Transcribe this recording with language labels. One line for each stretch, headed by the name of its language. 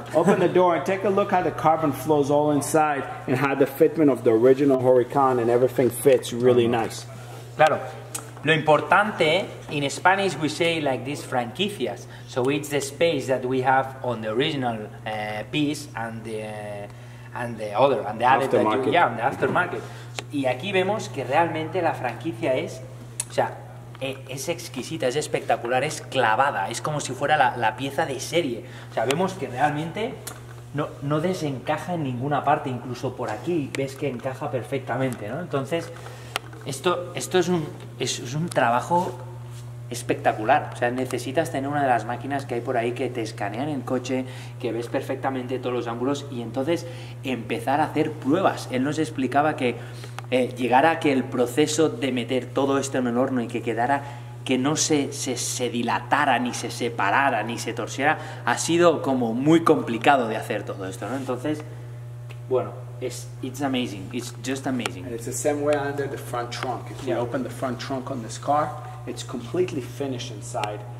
English: Open the door and take a look how the carbon flows all inside and how the fitment of the original Huracan and everything fits really nice.
Spanish: Claro. Lo importante,
English: in Spanish we say like these franquicias. So it's the space that we have on the original piece and the... and the other, and the aftermarket. Yeah, and the aftermarket.
Spanish: Y aquí vemos que realmente la franquicia es, o sea, es exquisita, es espectacular, es clavada, es como si fuera la pieza de serie. O sea, vemos que realmente no desencaja en ninguna parte, incluso por aquí ves que encaja perfectamente, ¿no? Entonces, esto es un trabajo espectacular. O sea, necesitas tener una de las máquinas que hay por ahí que te escanean el coche, que ves perfectamente todos los ángulos y entonces empezar a hacer pruebas. Él nos explicaba que llegara a que el proceso de meter todo esto en el horno y que quedara, que no se dilatara, ni se separara, ni se torciera, ha sido como muy complicado de hacer todo esto, ¿no? Entonces, bueno,
English: it's amazing. It's just amazing. And it's the same way under the front trunk. If you open the front trunk on this car, it's completely finished inside.